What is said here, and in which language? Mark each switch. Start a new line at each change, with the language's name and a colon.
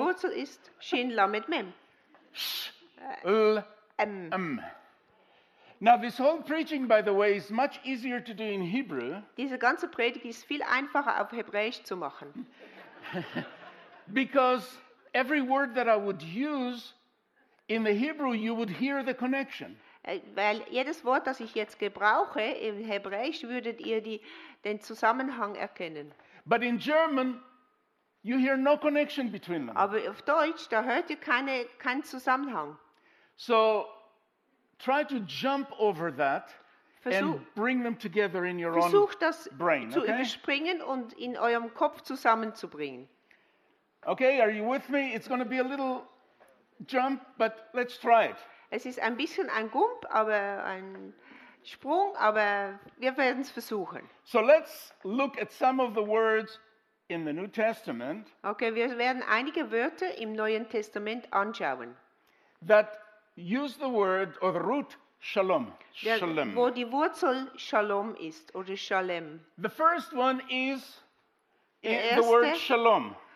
German: Wurzel ist Shin Lamed Mem.
Hebrew: Sh-l-m.
English: Now this whole preaching, by the way, is much easier to do in Hebrew.
German: Diese ganze Predigt ist viel einfacher auf Hebräisch zu machen.
English: Because every word that I would use in the Hebrew, you would hear the connection.
German: Weil jedes Wort, das ich jetzt gebrauche im Hebräisch, würdet ihr den Zusammenhang erkennen.
English: But in German, you hear no connection between them.
German: Aber auf Deutsch, da hört ihr keinen Zusammenhang.
English: So try to jump over that and bring them together in your own brain.
German: Versucht das zu überspringen und in eurem Kopf zusammenzubringen.
English: Okay, are you with me? It's going to be a little jump, but let's try it.
German: Es ist ein bisschen ein Gump, aber ein Sprung, aber wir werden es versuchen.
English: So let's look at some of the words in the New Testament.
German: Okay, wir werden einige Wörter im Neuen Testament anschauen.
English: That use the word or the root shalom.
Hebrew: Shalom.
German: Wo die Wurzel Shalom ist oder Shalem.
English: The first one is the word Shalom.